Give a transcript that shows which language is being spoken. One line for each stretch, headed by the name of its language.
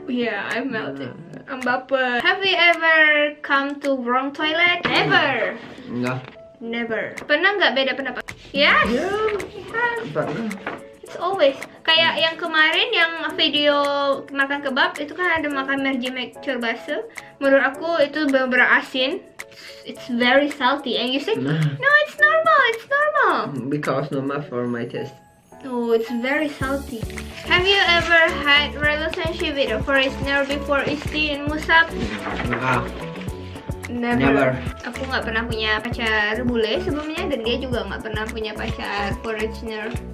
English: Yeah, I melted. I'm baper. Have you ever come to wrong toilet? Never. No. Never.
Indonesian: Pernah nggak beda pendapat?
English: Yes. Yeah.
Indonesian: Pernah.
English: It's always.
Indonesian: Kayak yang kemarin yang video makan kebab itu kan ada makan merji mac cerbasu. Menurut aku itu benar-benar asin.
English: It's very salty and you say no, it's normal, it's normal. Because normal for my taste. Oh, it's very salty. Have you ever had relationship with a foreigner before, Isti and Musab? Never.
Indonesian: Aku nggak pernah punya pacar bule sebelumnya dan dia juga nggak pernah punya pacar foreigner.